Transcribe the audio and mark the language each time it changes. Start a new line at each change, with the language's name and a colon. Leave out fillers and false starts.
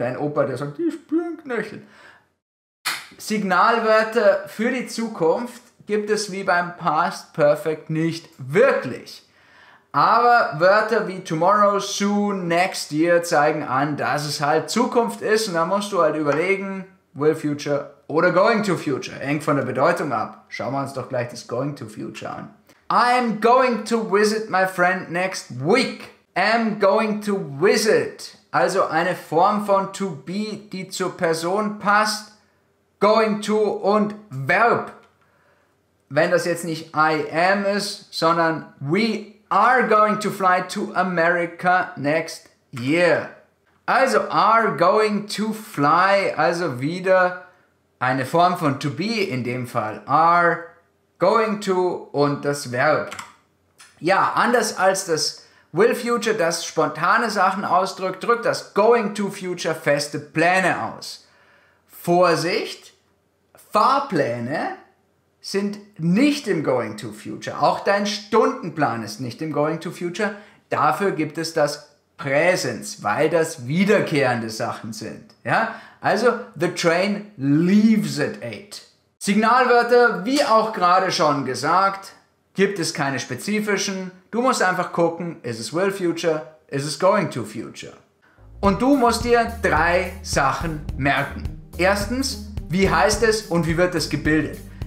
German: Dein Opa, der sagt, ich spüre Knöchel. Signalwörter für die Zukunft gibt es wie beim Past Perfect nicht wirklich. Aber Wörter wie tomorrow, soon, next year zeigen an, dass es halt Zukunft ist. Und da musst du halt überlegen, will future oder going to future. Hängt von der Bedeutung ab. Schauen wir uns doch gleich das going to future an.
English: I'm going to visit my friend next week. Am going to visit.
German: Also eine Form von to be, die zur Person passt. Going to und Verb. Wenn das jetzt nicht I am ist, sondern
English: we are going to fly to America next year.
German: Also
English: are going to fly,
German: also wieder eine Form von to be in dem Fall. Are going to und das Verb. Ja, anders als das will future, das spontane Sachen ausdrückt, drückt das going to future feste Pläne aus. Vorsicht, Fahrpläne sind nicht im Going to Future. Auch dein Stundenplan ist nicht im Going to Future. Dafür gibt es das Präsens, weil das wiederkehrende Sachen sind. Ja?
English: Also, the train leaves at 8.
German: Signalwörter, wie auch gerade schon gesagt, gibt es keine spezifischen. Du musst einfach gucken, ist es Will Future, ist es Going to Future. Und du musst dir drei Sachen merken. Erstens, wie heißt es und wie wird es gebildet?